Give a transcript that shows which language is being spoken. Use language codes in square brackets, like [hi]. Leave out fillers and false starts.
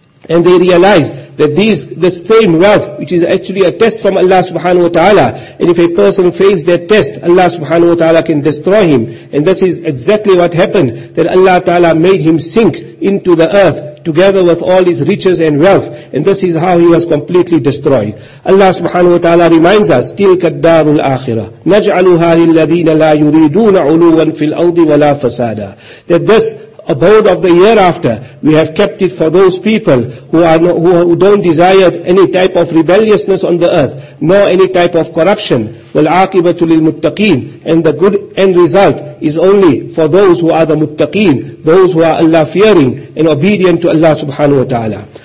[en] And they realized that this same wealth, which is actually a test from Allah subhanahu wa ta'ala, and if a person fails that test, Allah subhanahu wa ta'ala can destroy him. And this is exactly what happened, that Allah ta'ala made him sink into the earth, together with all his riches and wealth, and this is how he was completely destroyed. Allah subhanahu wa ta'ala reminds us, [ar] تِلْكَ الدَّارُ الْآخِرَةِ نَجْعَلُهَا لِلَّذِينَ لَا يُرِيدُونَ عُلُوًا فِي الْأَرْضِ وَلَا فَسَادًا. [en] That this abode of the hereafter, we have kept it for those people who don't desire any type of rebelliousness on the earth, nor any type of corruption. [ar] وَالْعَاقِبَةُ لِلْمُتَّقِينَ. [en] And the good end result is only for those who are the muttaqeen, those who are Allah fearing and obedient to Allah subhanahu wa ta'ala.